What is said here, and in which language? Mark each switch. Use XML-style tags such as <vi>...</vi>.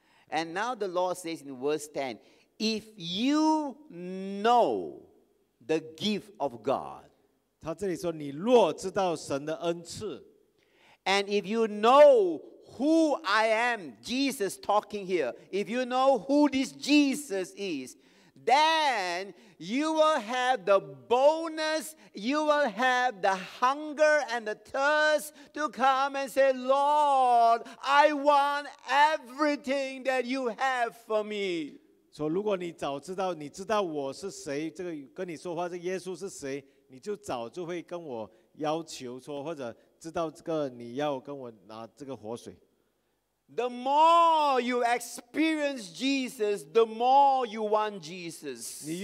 <en>And now the Lord says in verse 10, if you know the gift of God,</en> <zh>他这里说你若知道神的恩赐,</zh> <en>and if you know who I am, Jesus talking here, if you know who this Jesus is, then you will have the boldness, you will have the hunger and the thirst to come and say, Lord, I want everything that you have for me.</en> <zh>So, 如果你早知道你知道我是谁，这个跟你说话这耶稣是谁，你就早就会跟我要求说，或者知道这个你要跟我拿这个活水。</zh> <en>The more you experience Jesus, the more you want Jesus.</en>